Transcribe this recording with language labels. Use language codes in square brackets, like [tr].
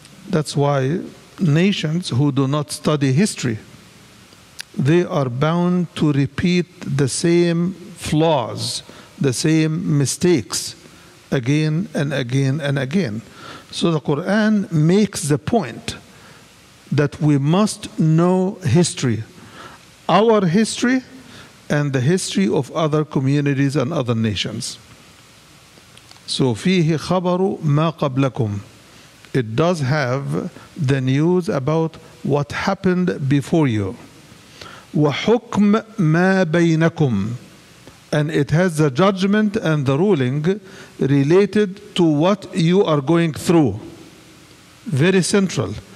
[en] That's why nations who do not study history, they are bound to repeat the same flaws, the same mistakes, again and again and again. So the Quran makes the point that we must know history, our history, and the history of other communities and other nations. [ar] So فيه خبر ما قبلكم. [en] It does have the news about what happened before you. [ar] وحكم ما بينكم. [en] And it has the judgment and the ruling related to what you are going through. Very central.